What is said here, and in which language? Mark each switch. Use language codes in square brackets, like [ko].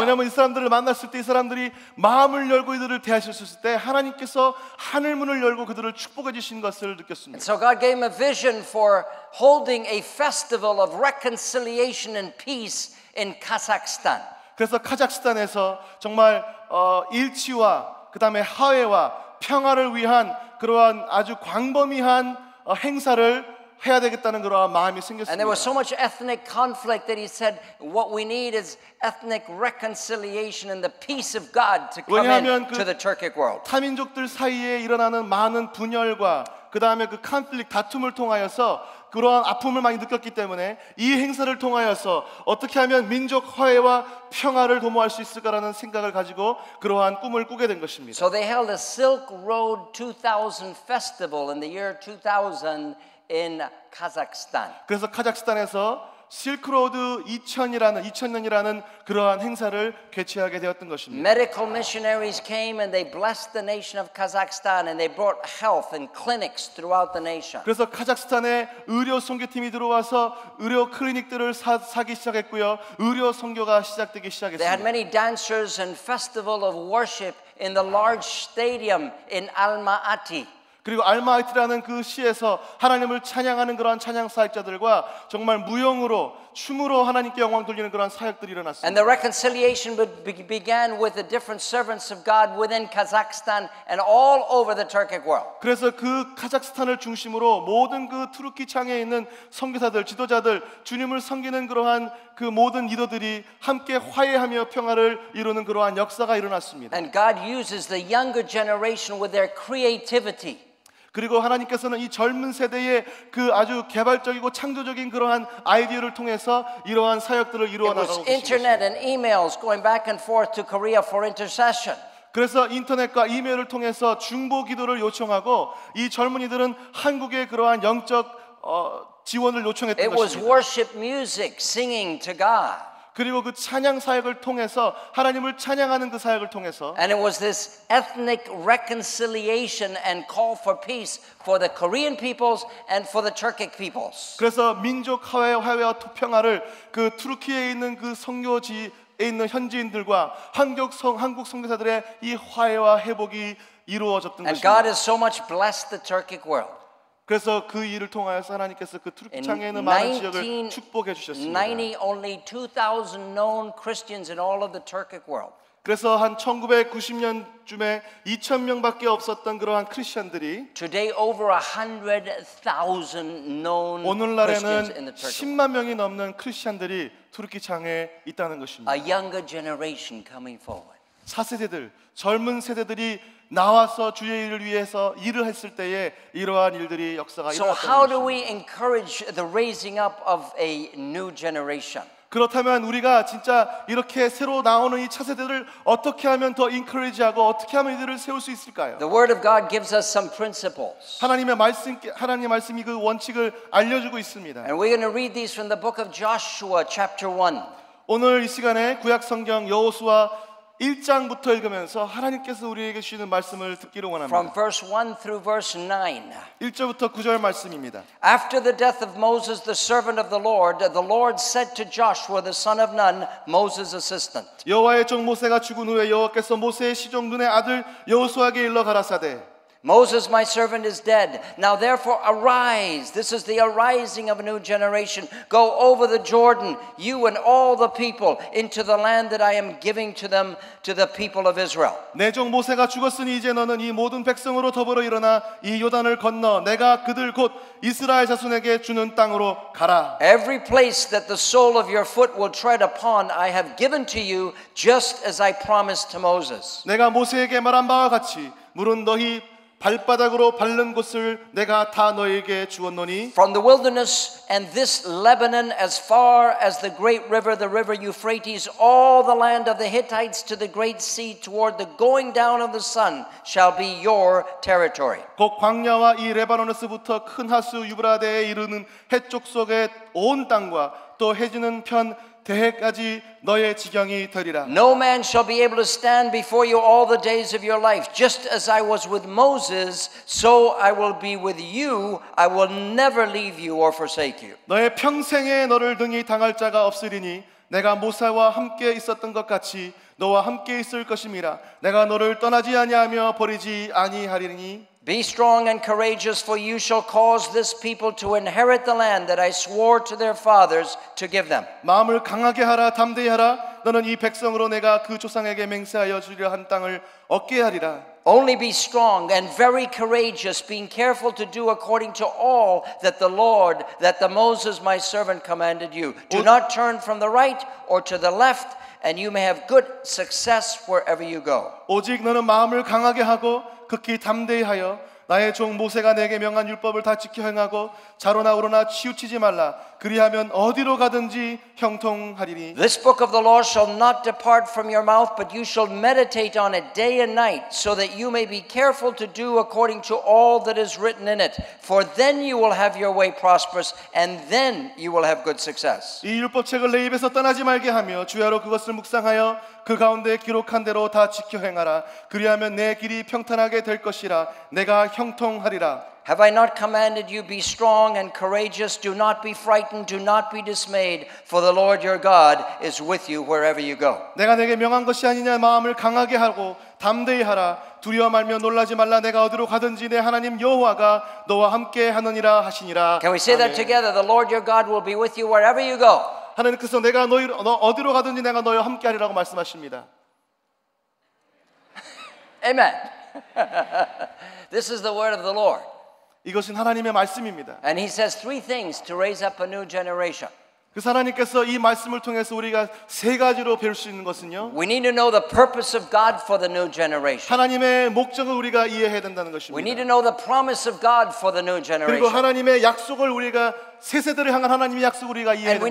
[ko] 왜냐하면 이 사람들을 만났을 때 이 사람들이 마음을 열고 이들을 대하셨을 때 하나님께서 하늘문을 열고 그들을 축복해 주신 것을 느꼈습니다. [en] So God gave him a vision for holding a festival of reconciliation and peace in Kazakhstan. [ko] 그래서 카자흐스탄에서 정말 일치와 그 다음에 화해와 평화를 위한 그러한 아주 광범위한 행사를 해야 되겠다는 그러한 마음이 생겼습니다. [en] And there was so much ethnic conflict that he said what we need is ethnic reconciliation and the peace of God to come in to the Turkic world. [ko] 타민족들 사이에 일어나는 많은 분열과 그다음에 그 컨플릭트 다툼을 통하여서 그러한 아픔을 많이 느꼈기 때문에 이 행사를 통하여서 어떻게 하면 민족 화해와 평화를 도모할 수 있을까라는 생각을 가지고 그러한 꿈을 꾸게 된 것입니다. [en] So they held a Silk Road 2000 festival in the year 2000 in Kazakhstan. [ko] 그래서 카자흐스탄에서 실크로드 2000년이라는 그러한 행사를 개최하게 되었던 것입니다. [en] Medical missionaries came and they blessed the nation of Kazakhstan and they brought health and clinics throughout the nation. [ko] 그래서 카자흐스탄에 의료 선교팀이 들어와서 의료 클리닉들을 사기 시작했고요. 의료 선교가 시작되기 시작했습니다. [en] They had many dancers and festival of worship in the large stadium in Almaty. [ko] 그리고 알마이트라는 그 시에서 하나님을 찬양하는 그러한 찬양 사역자들과 정말 무용으로 춤으로 하나님께 영광 돌리는 그러한 사역들이 일어났습니다. [en] And the reconciliation began with the different servants of God within Kazakhstan and all over the Turkic world. [ko] 그래서 그 카자흐스탄을 중심으로 모든 그 투르키 창에 있는 선교사들, 지도자들, 주님을 섬기는 그러한 그 모든 리더들이 함께 화해하며 평화를 이루는 그러한 역사가 일어났습니다. [en] And God uses the younger generation with their creativity. [ko] 그리고 하나님께서는 이 젊은 세대의 그 아주 개발적이고 창조적인 그러한 아이디어를 통해서 이러한 사역들을 이루어 나가고 있습니다. [en] It was internet and emails going back and forth to Korea for intercession. [ko] 그래서 인터넷과 이메일을 통해서 중보 기도를 요청하고 이 젊은이들은 한국의 그러한 영적 지원을 요청했던 것입니다. [en] It was worship music singing to God. [ko] 그리고 그 찬양 사역을 통해서 하나님을 찬양하는 그 사역을 통해서 [en] And it was this ethnic reconciliation and call for peace for the Korean peoples and for the Turkic peoples. [ko] 그래서 민족 화해와 평화를 그 터키에 있는 그 선교지에 있는 현지인들과 한국 선교사들의 이 화해와 회복이 이루어졌던 [en] and And God has so much blessed the Turkic world. [ko] 그래서 그 일을 통하여서 하나님께서 그 투르키 땅에 있는 많은 지역을 축복해 주셨습니다. [en] 1990 only 2000 known Christians in all of the Turkic world. [ko] 그래서 한 1990년쯤에 2000명밖에 없었던 그러한 크리스천들이 [en] today over 100,000 known [ko] 오늘날에는 10만 명이 넘는 크리스천들이 투르키 땅에 있다는 것입니다. [en] A younger generation coming forward. [ko] 4세대들, 젊은 세대들이 나와서 주의 일을 위해서 일을 했을 때에 이러한 일들이 역사가 일어났다는 것입니다. [en] So how do we encourage the raising up of a new generation? [ko] 그렇다면 우리가 진짜 이렇게 새로 나오는 이 차세대들을 어떻게 하면 더 인커리지하고 어떻게 하면 이들을 세울 수 있을까요? [en] The word of God gives us some principles. [ko] 하나님의 말씀이 그 원칙을 알려주고 있습니다. [en] And we're going to read these from the book of Joshua chapter 1. [ko] 오늘 이 시간에 구약 성경 여호수아 1장부터 읽으면서 하나님께서 우리에게 주시는 말씀을 듣기를 원합니다. [en] From verse 1 through verse 9. [ko] 1절부터 9절 말씀입니다. [en] After the death of Moses, the servant of the Lord said to Joshua, the son of Nun, Moses' assistant. [ko] 여호와의 종 모세가 죽은 후에 여호와께서 모세의 시종 눈의 아들 여호수아에게 일러 가라사대. [en] Moses, my servant, is dead. Now therefore arise. This is the arising of a new generation. Go over the Jordan, you and all the people, into the land that I am giving to them, to the people of Israel. [ko] 내 종 모세가 죽었으니 이제 너는 이 모든 백성으로 더불어 일어나 이 요단을 건너 내가 그들 곧 이스라엘 자손에게 주는 땅으로 가라. [en] Every place that the sole of your foot will tread upon, I have given to you, just as I promised to Moses. [ko] 내가 모세에게 말한 바와 같이 무릇 너희 발바닥으로 밟는 곳을 내가 다 너에게 주었노니 [en] From the wilderness and this Lebanon as far as the great river the river Euphrates all the land of the Hittites to the great sea toward the going down of the sun shall be your territory [ko] 곧 광야와 이 레바논에서부터 큰 하수 유브라데에 이르는 해쪽 속의 온 땅과 또 해지는 편 대해까지 너의 지경이 되리라. [en] No man shall be able to stand before you all the days of your life. Just as I was with Moses, so I will be with you. I will never leave you or forsake you. [ko] 너의 평생에 너를 능히 당할 자가 없으리니 내가 모세와 함께 있었던 것 같이 너와 함께 있을 것임이라. 내가 너를 떠나지 아니하며 버리지 아니하리니 [en] Be strong and courageous, for you shall cause this people to inherit the land that I swore to their fathers to give them. [ko] 마음을 강하게 하라, 담대히 하라. 너는 이 백성으로 내가 그 조상에게 맹세하여 주려 한 땅을 얻게 하리라. [en] Only be strong and very courageous, being careful to do according to all that the Lord, that the Moses, my servant, commanded you. Do not turn from the right or to the left, and you may have good success wherever you go. [ko] 오직 너는 마음을 강하게 하고 극히 담대히 하여 나의 종 모세가 내게 명한 율법을 다 지켜 행하고 자로나 우로나 치우치지 말라 그리하면 어디로 가든지 형통하리니 [en] This book of the law shall not depart from your mouth but you shall meditate on it day and night so that you may be careful to do according to all that is written in it for then you will have your way prosperous and then you will have good success [ko] 이 율법책을 내 입에서 떠나지 말게 하며 주야로 그것을 묵상하여 그 가운데 기록한 대로 다 지켜 행하라 그리하면 내 길이 평탄하게 될 것이라 내가 형통하리라 [en] Have I not commanded you be strong and courageous do not be frightened do not be dismayed for the Lord your God is with you wherever you go [ko] 내가 네게 명한 것이 아니냐 마음을 강하게 하고 담대히 하라 두려워 말며 놀라지 말라 내가 어디로 가든지 내 하나님 여호와가 너와 함께 하느니라 하시니라 [en] Can we say that together the Lord your God will be with you wherever you go [ko] 하나님께서 내가 너 어디로 가든지 내가 너와 함께 하리라고 말씀하십니다. [en] Amen. This is the word of the Lord. [ko] 이것은 하나님의 말씀입니다. [en] And he says three things to raise up a new generation. [ko] 그 하나님께서 이 말씀을 통해서 우리가 세 가지로 배울 수 있는 것은요. [en] We need to know the purpose of God for the new generation. [ko] 하나님의 목적을 우리가 이해해야 된다는 것입니다. [en] We need to know the promise of God for the new generation. [ko] 그리고 하나님의 약속을 우리가 새 세대를 향한 하나님의 약속을 우리가 이해해야 된다는